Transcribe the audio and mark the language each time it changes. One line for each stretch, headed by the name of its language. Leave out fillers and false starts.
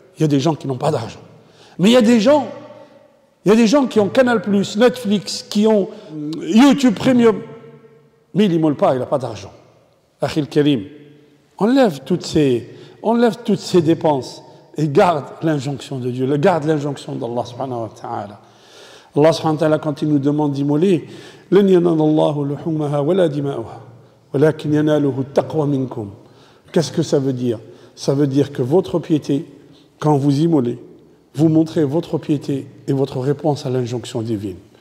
French: Il y a des gens qui n'ont pas d'argent. Mais il y a des gens qui ont Canal+, Netflix, qui ont YouTube Premium. Mais il n'immole pas, il n'a pas d'argent. Akhil Karim, enlève toutes ces dépenses et garde l'injonction de Dieu, garde l'injonction d'Allah subhanahu wa ta'ala. Allah subhanahu wa ta'ala, quand il nous demande d'immoler,
Arabic: لن ينال الله لحومها ولا دماؤها ولكن يناله التقوى منكم.
French: Qu'est-ce que ça veut dire? Ça veut dire que votre piété, quand vous immolez, vous montrez votre piété et votre réponse à l'injonction divine.